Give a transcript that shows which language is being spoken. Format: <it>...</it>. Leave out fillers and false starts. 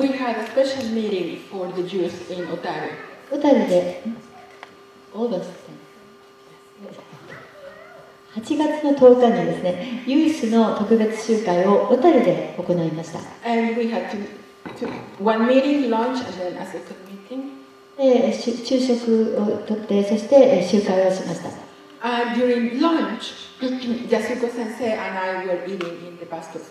<en>we had a special meeting for the Jews in Otaru.</en> <ja>Otaru で August 8月の10日にですね、ユースの特別集会を Otaru で行いました。</ja> <en>And we had two one meeting lunch and then a second meeting.</en> <ja>で、昼食をとって、そして集会をしました。</ja> <en>During lunch, Yasuko sensei and I were eating in the pastor's</en>